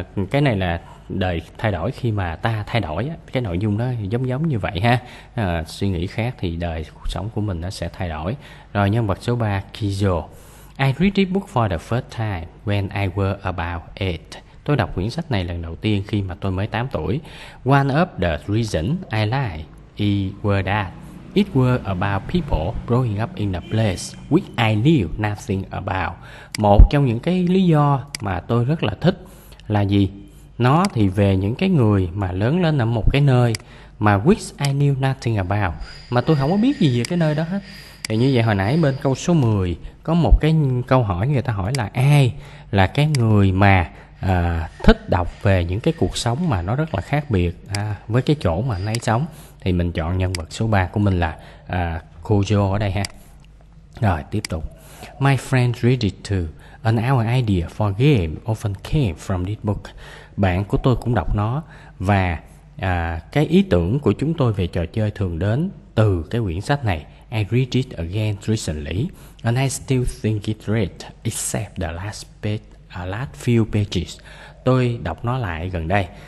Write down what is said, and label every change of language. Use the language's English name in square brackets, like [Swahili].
[Vietnamese] Cái này là đời thay đổi khi mà ta thay đổi á. Cái nội dung nó giống giống như vậy ha. Suy nghĩ khác thì đời cuộc sống của mình nó sẽ thay đổi. Rồi nhân vật số 3, Kizo. [English] I read this book for the first time when I was about 8. [Vietnamese] Tôi đọc quyển sách này lần đầu tiên khi mà tôi mới 8 tuổi. [English] One of the reasons I like it was that it was about people growing up in a place which I knew nothing about. [Vietnamese] Một trong những cái lý do mà tôi rất là thích là gì? Nó thì về những cái người mà lớn lên ở một cái nơi mà [English] which I knew nothing about, [Vietnamese] mà tôi không có biết gì về cái nơi đó hết. Thì như vậy hồi nãy bên câu số 10 có một cái câu hỏi người ta hỏi là ai là cái người mà thích đọc về những cái cuộc sống mà nó rất là khác biệt với cái chỗ mà anh ấy sống. Thì mình chọn nhân vật số 3 của mình là Kojo ở đây ha. Rồi tiếp tục. [English] My friend read it too. And our idea for game often came from this book. [Vietnamese] Bạn của tôi cũng đọc nó. Và cái ý tưởng của chúng tôi về trò chơi thường đến từ cái quyển sách này. [English] I read it again recently. And I still think it's great. Except the last few pages. [Vietnamese] Tôi đọc nó lại gần đây.